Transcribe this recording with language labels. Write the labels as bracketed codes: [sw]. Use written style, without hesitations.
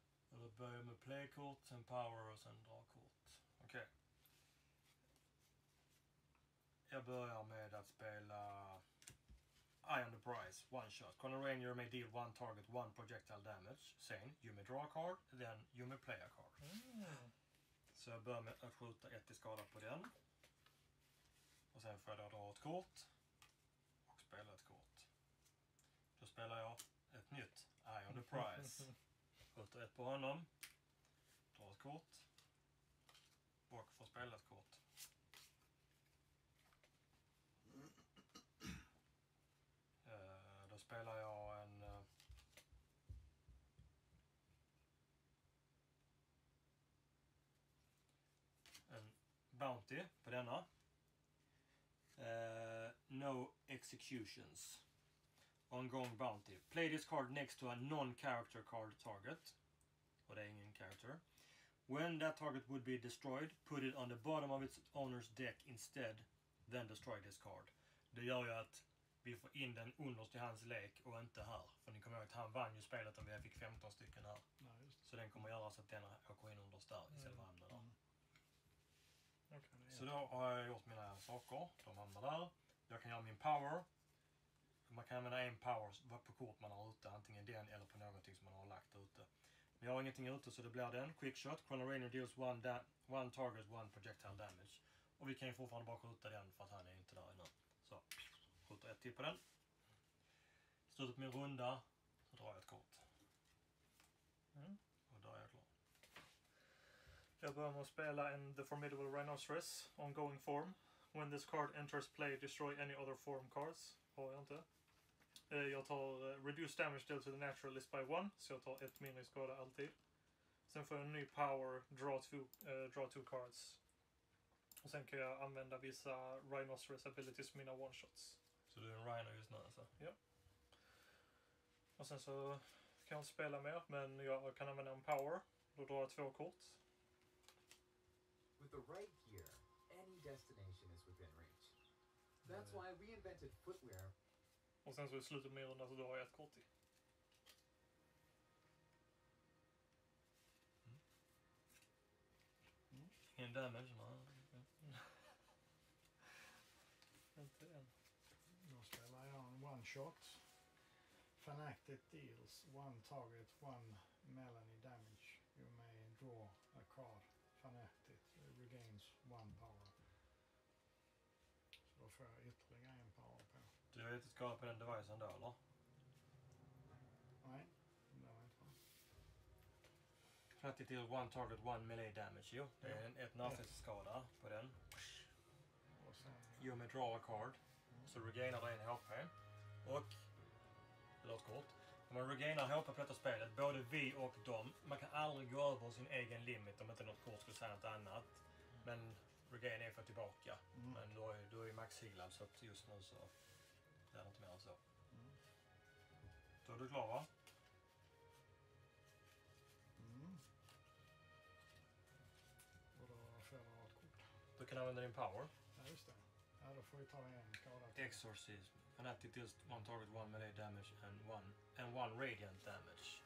[sv] Och då börjar jag med playkort, sen power och sen dragkort. Okej. Okay. Jag börjar med att spela... [en] Eye on the prize, one shot. Corner ranger may deal one target, one projectile damage. Same, you may draw a card, then you may play a card. Mm. [sv] Så jag börjar med att skjuta ett i skada på den. Och sen får jag dra ett kort. Och spela ett kort. Då spelar jag ett nytt Eye on the prize. Skjuter ett på honom. Dra ett kort. Och får spela ett kort. Då spelar jag en... En bounty på denna. [en] No executions. Ongoing bounty. Play this card next to a non-character card target. [sv] Och det är ingen character. [en] When that target would be destroyed, put it on the bottom of its owner's deck instead, then destroy this card. [sv] Det gör ju att... Vi får in den underst i hans lek och inte här. För ni kommer ihåg att han vann ju spelet om vi fick 15 stycken här. Nej, just det. Så den kommer göra så att den åker in underst där istället för hamnen. Så då har jag gjort mina saker. De hamnar där. Jag kan göra min power. Man kan använda en power på kort man har ute. Antingen den eller på någonting som man har lagt ute. Men jag har ingenting ute så det blir den. Quick shot. [en] Chrono Rainer deals one target, one projectile damage. [sv] Och vi kan ju fortfarande bara skjuta den för att han är inte där innan. Så... Skjuter ett till på den. Slutar på min runda. Så drar jag ett kort. Mm. Och då är jag klar. Jag börjar med att spela en The Formidable Rhinoceros. [en] Ongoing form. When this card enters play, destroy any other form cards. [sv] Har jag inte. Jag tar [en] reduced damage dealt to the naturalist by one. [sv] Så jag tar ett mindre skada alltid. Sen får jag en ny power. [en] Draw two cards. [sv] Och sen kan jag använda vissa Rhinoceros abilities med mina one shots. Så du är en Rhino just nu alltså? Ja. Och sen så kan jag spela mer, men jag kan använda en power. Då drar jag två kort. [en] With the right gear, any destination is within reach. That's why we invented footwear. [sv] Och sen så i slutet med runda så drar jag ett kort till. Ingen damage, man. Inte än. Då spelar jag en one shot. [en] Fanactic deals one target, one melee damage. You may draw a card. Fanactic regains one power. [sv] Så då får jag ytterligare en power på. Du har inte skadat på den devicen då, eller? Nej, det var inte bra. [en] Fanactic deals one target, one melee damage. [sv] Jo, det är ett nafis skada på den. Och sen, [en] you may draw a card. [sv] Så regainar en HP och låt kort. Om man regainar HP på detta spelet, både vi och dem, man kan aldrig gå över sin egen limit om inte något kort skulle säga något annat. Men regain är för tillbaka, men då är du max healad så just nu så det är inte mer än så. Då är du klar va? Och då får jag ett kort. Du kan använda din power. Ja just det. Ja, då får vi ta en skada. [en] Exorcism. Fanatic deals one target, one melee damage and one radiant damage.